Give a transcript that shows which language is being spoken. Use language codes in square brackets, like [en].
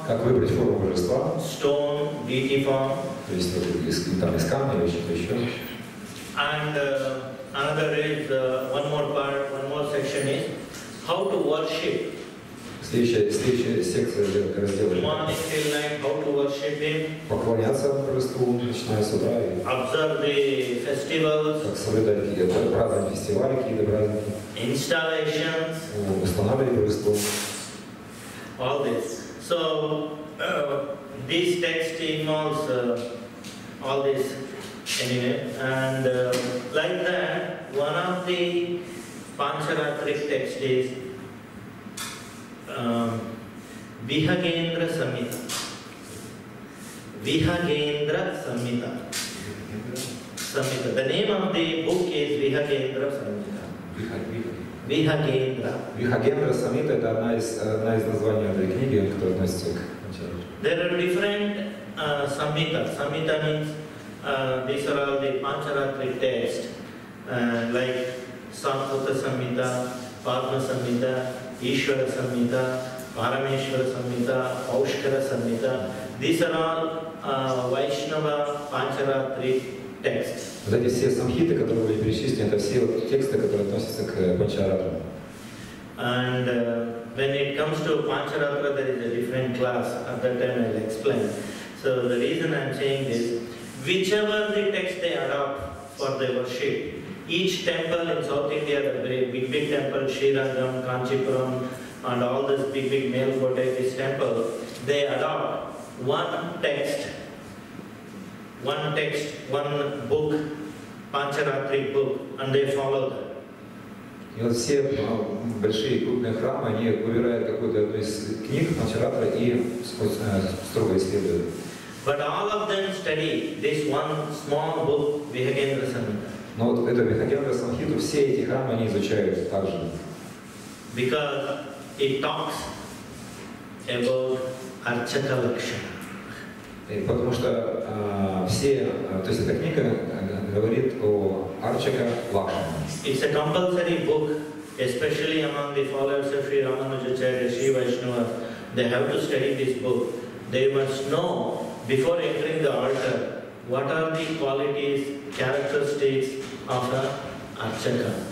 [ru] Как выбрать форму божества? [en] Stone deity form. [ru] То есть вот, там из камня или что-то еще. [en] And another is one more section is how to worship. [ru] Следующая секция раздела. [en] Morning till night, how to worship him. [ru] Поклоняться божеству, начиная с утра. [en] Observe the festivals. [ru] Как соблюдать какие-то праздники, фестивали какие-то праздники. [en] Installations. [ru] Устанавливать божество. [en] All this. So, this text involves all this anyway. And like that, one of the Pancharatric text is Vihagendra Samhita. Vihagendra Samhita. Samhita. The name of the book is Vihagendra Samhita. Vihagendra. [ru] Vihagendra Samhita – это одна из названий этой книги, которая относится к Pancharatra. [en] There are different Samhita. Samhita means these are all the Pancharatric texts, like Samputa Samhita, Padma Samhita, Ishvara Samhita, Parameshwara Samhita, Aushkara Samhita. These are all Vaishnava Pancharatri texts. [ru] Вот эти все самхиты, которые были перечислены, это все вот тексты, которые относятся к Pancharatra. [en] And when it comes to Pancharatra, there is a different class. At that time I'll explain. So the reason I'm saying is, whichever the text they adopt for their worship, each temple in South India, the very big temple, Srirangam, Kanchipuram, and all these big Melkote temple, they adopt one text, one book, Pancharatri book, and they follow that. [ru] И вот все большие крупные храмы, они выбирают какую-то одну из книг Пачаратра и строго исследуют. [en] But all of them study this one small book, Vihagendra Samhita. [ru] Но вот это Vihagendra Samhita, все эти храмы они изучают также. [en] Because it talks about Archaka Lakshana. [ru] Потому что все, то есть эта книга говорит о Арчака Лакшмана. [en] It's a compulsory book, especially among the followers of Sri Ramanujacharya, Sri Vaishnava. They have to study this book. They must know before entering the altar what are the qualities, characteristics of the Арчака.